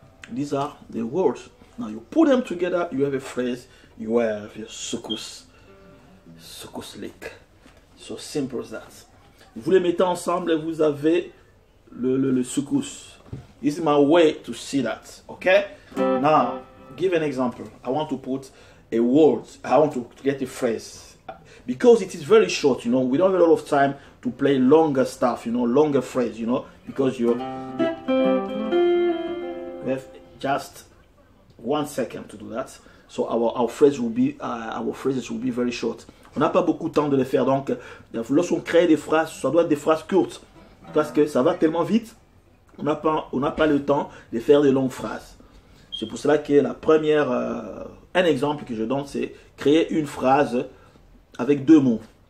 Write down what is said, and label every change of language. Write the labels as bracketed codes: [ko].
[en] These are the words. Now you put them together, you have a phrase, you have your sukus. So slick. So simple as that. [fr] Vous les mettez ensemble et vous avez le soukous. [en] This is my way to see that. Okay? Now, give an example. I want to put a word. I want to get a phrase. Because it is very short, you know, we don't have a lot of time to play longer stuff, you know, longer phrase, you know, because we have just 1 second to do that. So our phrases will be very short. [fr] On n'a pas beaucoup de temps de les faire, donc lorsqu'on crée des phrases, ça doit être des phrases courtes. Parce que ça va tellement vite, on n'a pas le temps de faire des longues phrases. C'est pour cela que la première, un exemple que je donne, c'est créer une phrase avec deux mots.